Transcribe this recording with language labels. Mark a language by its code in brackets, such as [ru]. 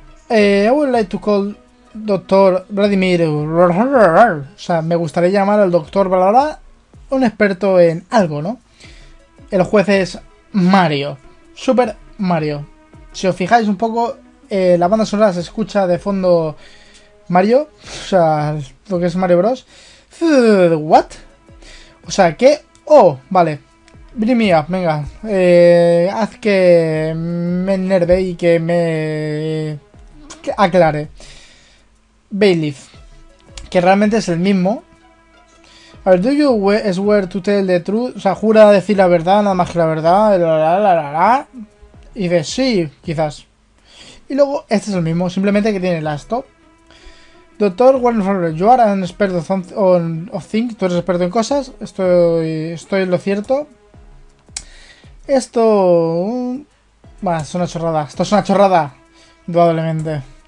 [en] I would like to call doctor Vladimir. [es] O sea, me gustaría llamar al doctor Valora, un experto en algo, ¿no? El juez es Mario. Super Mario. Si os fijáis un poco, la banda sonora se escucha de fondo Mario. O sea, lo que es Mario Bros. What? O sea, ¿qué? Oh, vale. [en] Bring me up, [es] venga. Haz que me enerve y que me aclare. Bailiff. Que realmente es el mismo. [en] A ver, do you swear to tell the truth? [es] O sea, jura decir la verdad, nada más que la verdad. Y dice, sí, quizás. Y luego, este es el mismo, simplemente que tiene las top. [en] Doctor Warren, you are an expert of things. [es] Tú eres experto en cosas. Estoy en lo cierto. Esto. Bueno, es una chorrada. Esto es una chorrada. Indudablemente.